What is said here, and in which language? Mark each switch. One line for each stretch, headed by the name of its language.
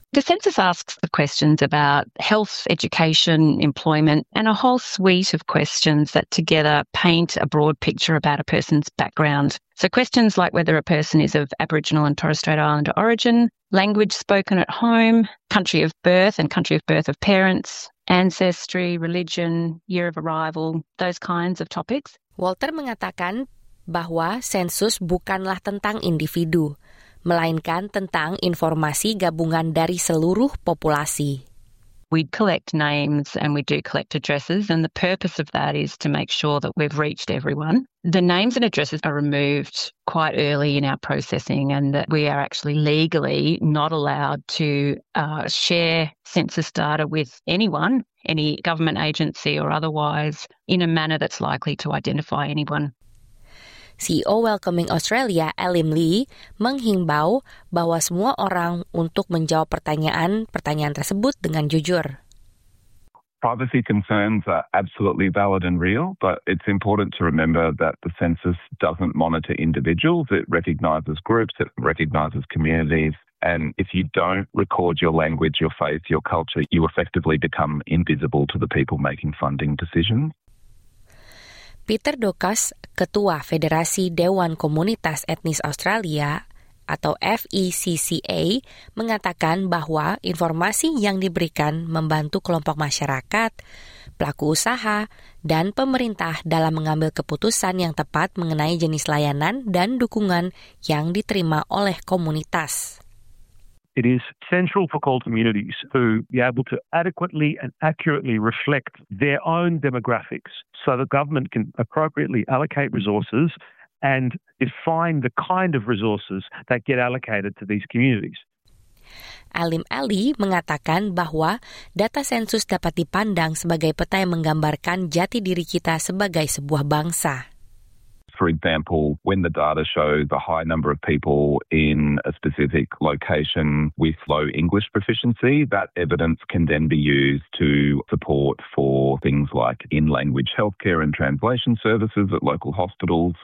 English: The census asks the questions about health, education, employment, and a whole suite of questions that together paint a broad picture about a person's background. So questions like whether a person is of Aboriginal and Torres Strait Islander origin, language spoken at home, country of birth and country of birth of parents, ancestry, religion, year of arrival, those kinds of topics.
Indonesian: Walter mengatakan bahwa sensus bukanlah tentang individu, melainkan tentang informasi gabungan dari seluruh populasi.
English: We collect names and we do collect addresses, and the purpose of that is to make sure that we've reached everyone. The names and addresses are removed quite early in our processing, and that we are actually legally not allowed to share census data with anyone, any government agency or otherwise, in a manner that's likely to identify anyone.
Indonesian: CEO Welcoming Australia, Elim Lee, menghimbau bahwa semua orang untuk menjawab pertanyaan-pertanyaan tersebut dengan jujur.
English: Privacy concerns are absolutely valid and real, but it's important to remember that the census doesn't monitor individuals. It recognizes groups, it recognizes communities, and if you don't record your language, your faith, your culture, you effectively become invisible to the people making funding decisions.
Indonesian: Peter Dokas, Ketua Federasi Dewan Komunitas Etnis Australia atau FECCA, mengatakan bahwa informasi yang diberikan membantu kelompok masyarakat, pelaku usaha, dan pemerintah dalam mengambil keputusan yang tepat mengenai jenis layanan dan dukungan yang diterima oleh komunitas.
English: It is central for coal communities to be able to adequately and accurately reflect their own demographics so the government can appropriately allocate resources and define the kind of resources that get allocated to these communities.
Indonesian: Alim Ali mengatakan bahwa data sensus dapat dipandang sebagai peta yang menggambarkan jati diri kita sebagai sebuah bangsa.
English: For example, when the data show the high number of people in a specific location with low English proficiency, that evidence can then be used to support for things like in-language healthcare and translation services at local hospitals.